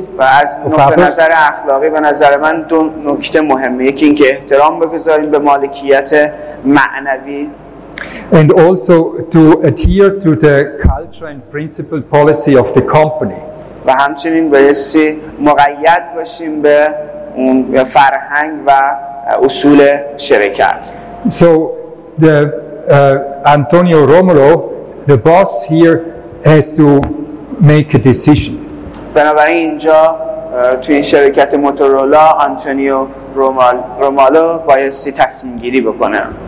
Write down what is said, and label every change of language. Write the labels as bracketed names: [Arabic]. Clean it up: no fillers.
[Persian] و از نظر اخلاقی به نظر من دو نکته مهمه، یکی این که احترام بگذاریم به مالکیت معنوی، [English] and also to adhere to the culture and principle policy of the company. [Persian] و همچنین بایستی مقید باشیم به اون فرهنگ و اصول شرکت. [English] So the Antonio Romolo, the boss here, has to make a decision. [Persian] بنابراین اینجا توی این شرکت موتورولا آنتونیو رومالو بایستی تصمیم گیری بکنه.